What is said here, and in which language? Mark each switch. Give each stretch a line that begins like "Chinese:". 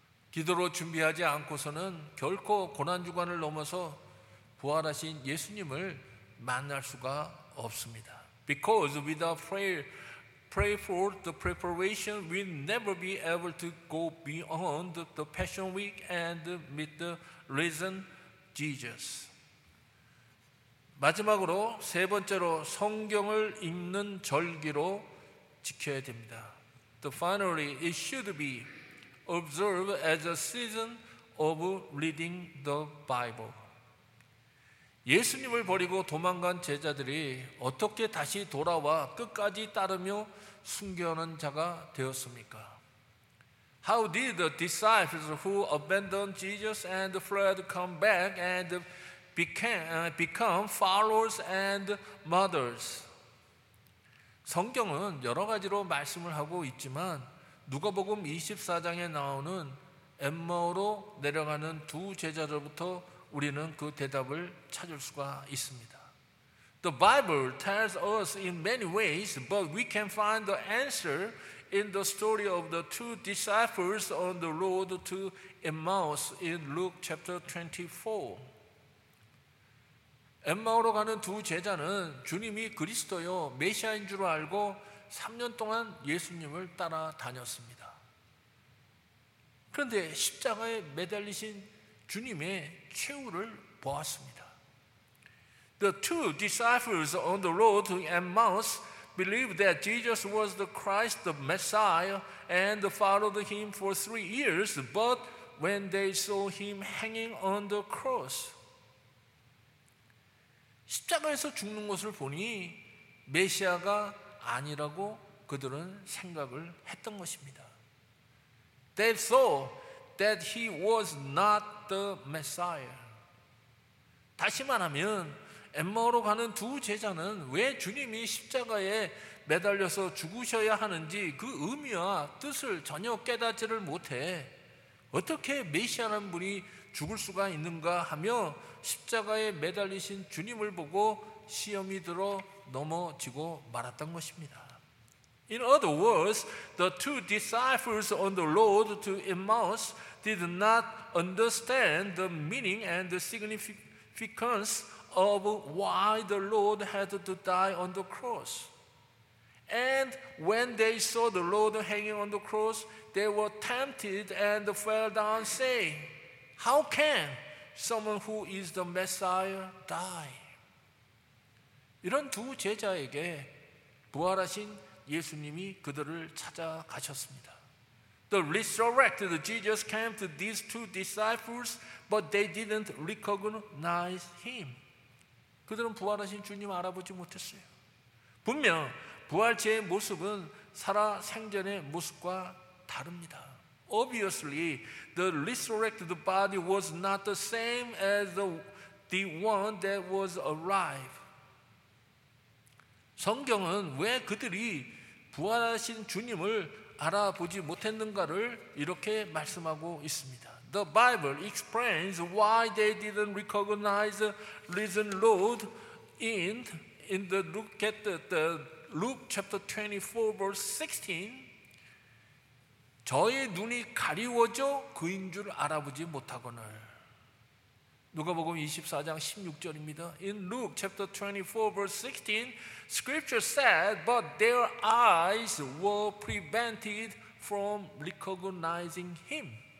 Korean: 기도로 준비하지 않고서는 결코 고난주간을 넘어서 부활하신 예수님을 만날 수가 없습니다.
English: Because without prayer, pray for the preparation, we'll never be able to go beyond the Passion Week and meet the risen Jesus.
Korean: 마지막으로 세 번째로 성경을 읽는 절기로 지켜야 됩니다.
English: The finally, it should be observe as a season of reading the Bible.
Korean: 예수님을 버리고 도망간 제자들이 어떻게 다시 돌아와 끝까지 따르며 순교하는 자가 되었습니까?
English: How did the disciples who abandoned Jesus and fled come back and become followers and martyrs?
Korean: 성경은 여러 가지로 말씀을 하고 있지만 누가복음 24장에 나오는 엠마오로 내려가는 두 제자로부터 우리는 그 대답을 찾을 수가 있습니다.
English: The Bible tells us in many ways, but we can find the answer in the story of the two disciples on the road to Emmaus in Luke chapter 24.
Korean: 엠마오로 가는 두 제자는 주님이 그리스도요 메시아인 줄 알고 3년 동안 예수님을 따라다녔습니다. 그런데 십자가에 매달리신 주님의 최후를 보았습니다.
English: The two disciples on the road to Emmaus believed that Jesus was the Christ, the Messiah, and followed him for 3 years, but when they saw him hanging on the cross,
Korean: 십자가에서 죽는 것을 보니 메시아가 아니라고 그들은 생각을 했던 것입니다.
English: They saw that he was not the Messiah.
Korean: 다시 말하면 엠마오로 가는 두 제자는 왜 주님이 십자가에 매달려서 죽으셔야 하는지 그 의미와 뜻을 전혀 깨닫지를 못해 어떻게 메시아라는 분이 죽을 수가 있는가 하며 십자가에 매달리신 주님을 보고 시험이 들어 넘어지고 말았던 것입니다.
English: In other words, the two disciples on the road to Emmaus did not understand the meaning and the significance of why the Lord had to die on the cross. And when they saw the Lord hanging on the cross, they were tempted and fell down saying, How can someone who is the Messiah die?
Korean: 이런 두 제자에게 부활하신 예수님이 그들을 찾아가셨습니다.
English: The resurrected Jesus came to these two disciples, but they didn't recognize him.
Korean: 그들은 부활하신 주님을 알아보지 못했어요. 분명 부활체의 모습은 살아 생전의 모습과 다릅니다.
English: Obviously, the resurrected body was not the same as the one that was alive.
Korean: 성경은 왜 그들이 부활하신 주님을 알아보지 못했는가를 이렇게 말씀하고 있습니다.
English: The Bible explains why they didn't recognize the risen Lord in the look at the Luke chapter 24 verse 16.
Korean: 저의 눈이 가리워져 그인 줄 알아보지 못하거늘. 누가복음 24장 16절입니다.
English: In Luke chapter 24 verse 16, scripture said, but their eyes were prevented from recognizing him.